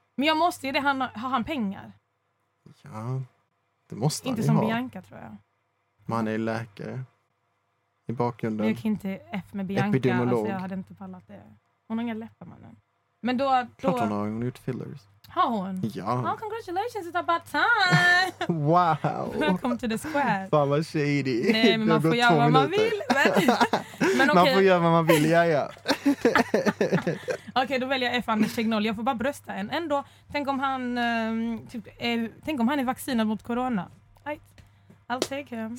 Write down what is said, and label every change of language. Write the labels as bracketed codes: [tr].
[sv] Men jag måste ju det. Har han pengar? Ja, det måste inte han som ha. Bianca, tror jag. Men han är läkare. I bakgrunden. Men jag kan inte F med Bianca. Epidemiolog. Alltså jag hade inte pallat det. Hon har inga läppar, mannen. Men då... Klart hon har. Hon har gjort fillers. Har hon? Ja. [en] Oh, congratulations, it's about time. Wow. Welcome to the square. [sv] Fan vad shady. Nej, men man får göra vad man vill. Men okay. Man får göra vad man vill, ja, ja. Okej, då väljer jag F. Anders Tegnell. Jag får bara brösta en. Ändå, tänk om han är vaccinad mot corona. [en] I'll take him.